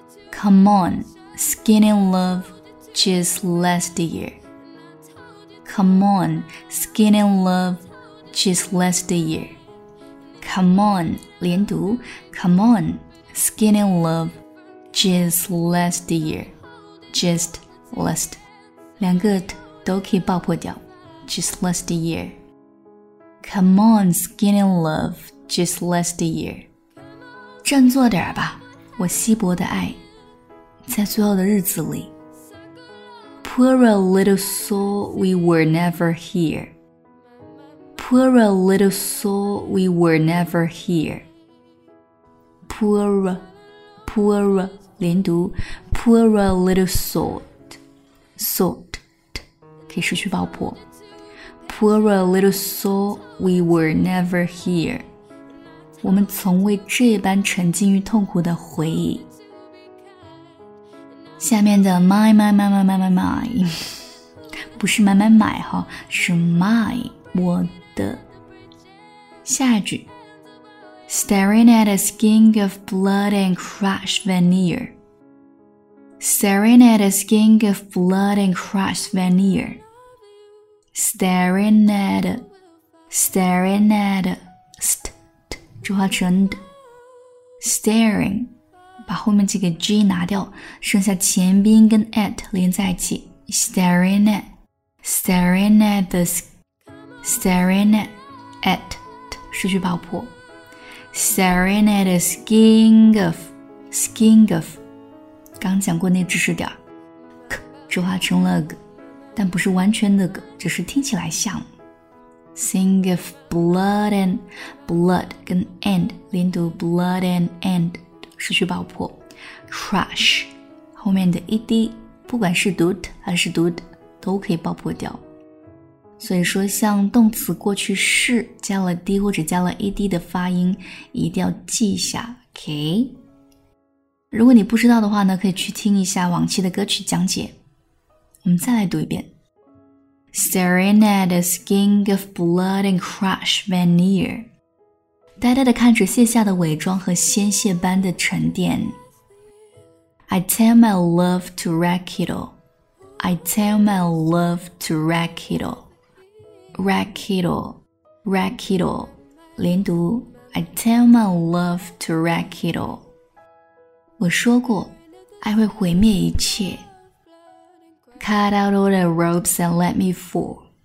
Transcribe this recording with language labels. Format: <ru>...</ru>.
<en>Come on, skinny love, just last year. Come on, skinny love, just last year. Come on,</en> <zh>连读。</zh> <en>Come on, skinny love, just last year. Just last,</en> <zh>两个 t 都可以爆破掉。</zh> <en>Just last year. Come on, skinny love, just last year.</en> <zh>振作点吧，我稀薄的爱，在最后的日子里。</zh> <en>Poor a little soul, we were never here. Poor a little soul, we were never here. Poor, poor,</en> <zh>连读。</zh> <en>Poor a little soul, soul,</en> <zh>可以失去爆破。</zh> <en>Poor a little soul, we were never here.</en> <zh>我们从未这般沉浸于痛苦的回忆。下面的 my my my my my my my 不是买买买哈，是 my 我的。下一句</zh> <en>staring at a skin of blood and crushed veneer, staring at a skin of blood and crushed veneer, staring at, staring at.</en> <zh>浊化成 staring， 把后面这个 g 拿掉，剩下前边跟 at 连在一起。</zh> <en>staring at， staring at the， staring at， at</en> <zh>失去爆破。</zh> <en>staring at the skin of，</en> <zh>skin of， 刚讲过那知识点 k 浊化成了 g， 但不是完全的 g， 只是听起来像。</zh> <en>Sing of blood and blood</en> <zh>跟 and 连读 blood and and 失去爆破 crush 后面的 ed 不管是读 t 还是读 d 都可以爆破掉，所以说像动词过去式加了 d 或者加了 ed 的发音一定要记一下 ok。如果你不知道的话呢，可以去听一下往期的歌曲讲解。我们再来读一遍。</zh> <en>Staring at a skin of blood and crushed veneer.</en> <zh>呆呆地看着卸下的伪装和鲜血般的沉淀。</zh> <en>I tell my love to wreck it all. I tell my love to wreck it all. Wreck it all. Wreck it all.</en> <zh>连读。</zh> <en>I tell my love to wreck it all.</en> <zh>我说过，爱会毁灭一切。</zh> <en>Cut out all the ropes and let me fall.</en>